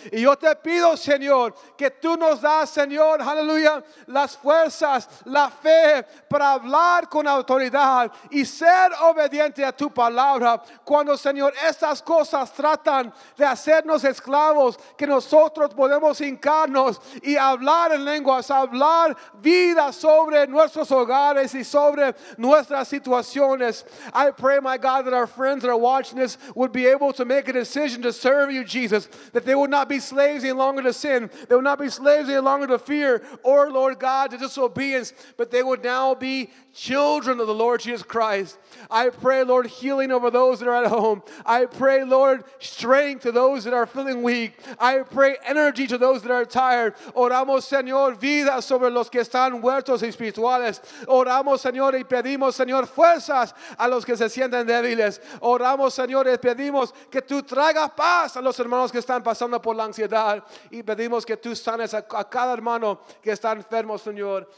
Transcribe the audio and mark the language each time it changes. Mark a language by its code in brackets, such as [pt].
[es] Y yo te pido, Señor, que tú nos das, Señor, aleluya, las fuerzas, la fe para hablar con autoridad y ser obediente a tu palabra. Cuando, Señor, estas cosas tratan de hacernos esclavos, que nosotros podemos hincarnos y hablar en lenguas, hablar vida sobre nuestros hogares y sobre nuestras situaciones. [en] I pray, my God, that our friends that are watching this would be able to make a decision to serve you, Jesus, that they would not be slaves any longer to sin, they would not be slaves any longer to fear or, Lord God, to disobedience, but they would now be children of the Lord Jesus Christ. I pray, Lord, healing over those that are at home. I pray, Lord, strength to those that are feeling weak. I pray energy to those that are tired. [es] Oramos, Señor, vida sobre los que están muertos espirituales. Oramos, Señor, y pedimos, Señor, fuerzas a los que se sienten débiles. Oramos, Señor, y pedimos que tú traigas paz a los hermanos que están pasando por la ansiedad. Y pedimos que tú sanes a cada hermano que está enfermo, Señor.